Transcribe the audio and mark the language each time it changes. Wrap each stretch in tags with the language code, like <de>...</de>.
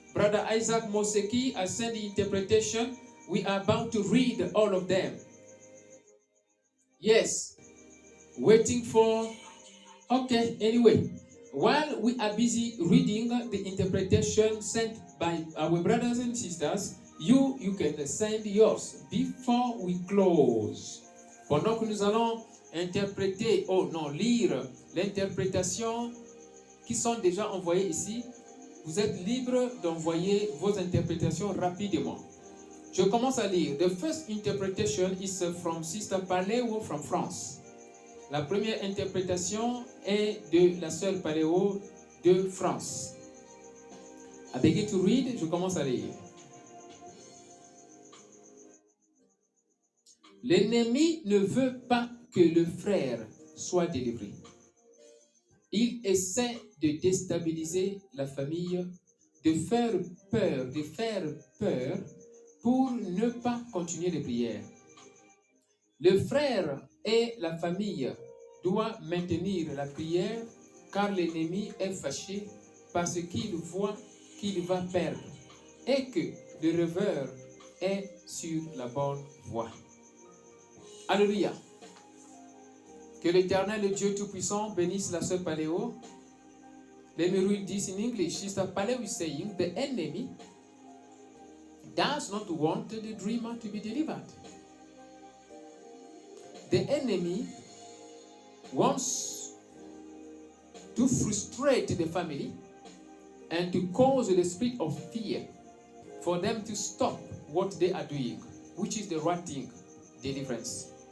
<en>Brother Isaac Moseki has sent the interpretation. We are about to read all of them. Yes. Waiting for... Okay, anyway. While we are busy reading the interpretation sent by our brothers and sisters, you can send yours before we close.</en> <fr>Pendant que nous allons interpréter, lire l'interprétation qui sont déjà envoyées ici, vous êtes libre d'envoyer vos interprétations rapidement. Je commence à lire.</fr> <en>The first interpretation is from Sister Paléo from France.</en> <fr>La première interprétation est de la sœur Paléo de France.</fr> <en>I begin to read,</en> <fr>je commence à lire. L'ennemi ne veut pas que le frère soit délivré. Il essaie de déstabiliser la famille, de faire peur pour ne pas continuer les prières. Le frère et la famille doivent maintenir la prière car l'ennemi est fâché parce qu'il voit qu'il va perdre et que le rêveur est sur la bonne voie. Alléluia. Que l'Éternel, le Dieu Tout-Puissant, bénisse la sœur Paléo.</fr> <en>Let me read this in English. Sister Paléo is saying, the enemy does not want the dreamer to be delivered. The enemy wants to frustrate the family and to cause the spirit of fear for them to stop what they are doing, which is the right thing, deliverance.</en>